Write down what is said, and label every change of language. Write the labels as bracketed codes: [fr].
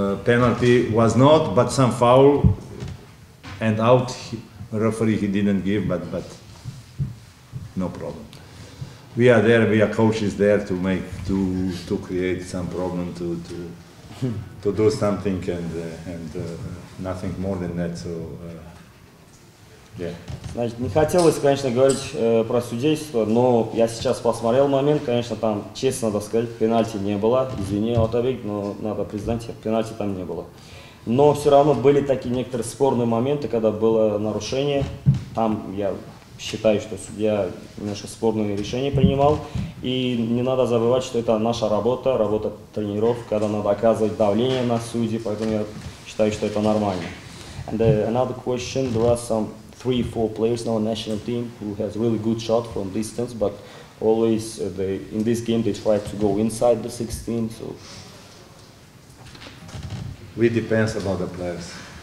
[en] Penalty was not, but some foul and out, referee he didn't give, but no problem. We are there, we are coaches there to make, to create some problem, to do something and nothing more than that, so, yeah. [ru] Значит, не хотелось, конечно, говорить про судейство, но я сейчас посмотрел момент, конечно, там, честно надо сказать, пенальти не было, извини, Отабек, но надо признать, пенальти там не было. Но все равно были такие некоторые спорные моменты, когда было нарушение. Там я считаю, что судья немножко спорные решения принимал. И не надо забывать, что это наша работа, работа тренеров, когда надо оказывать давление на судьи. Поэтому я считаю, что это нормально. [en] And another question, there are some 3-4 players in our national team who has really good shot from distance, but always they in this game they try to go inside the 16. So. We depends about the players.